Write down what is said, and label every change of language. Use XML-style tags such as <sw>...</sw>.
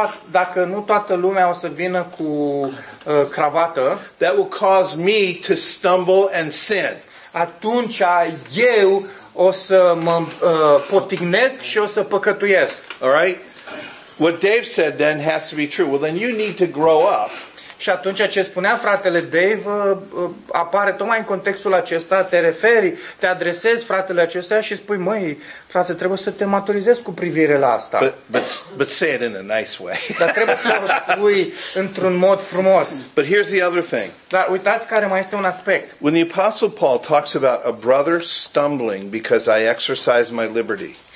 <ro>Dacă nu toată lumea o să vină cu cravată,</ro> <en>that will cause me to stumble and sin.</en> <ro>Atunci eu o să mă potignesc și o să păcătuiesc.</ro> <en>All right? What Dave said then has to be true. Well, then you need to grow up.</en> <ro>Și atunci ce spunea fratele Dave apare tocmai în contextul acesta, te referi, te adresezi fratele acesta și spui, măi, frate, trebuie să te maturizezi cu privire la asta.</ro> <en>But say it in a nice way.</en> <ro>Dar trebuie să o spui într-un mod frumos.</ro> <en>But here's the other thing.</en> <ro>Dar uitați care mai este un aspect.</ro> <en>When the Apostle Paul talks about a brother stumbling because I exercise my liberty.</en>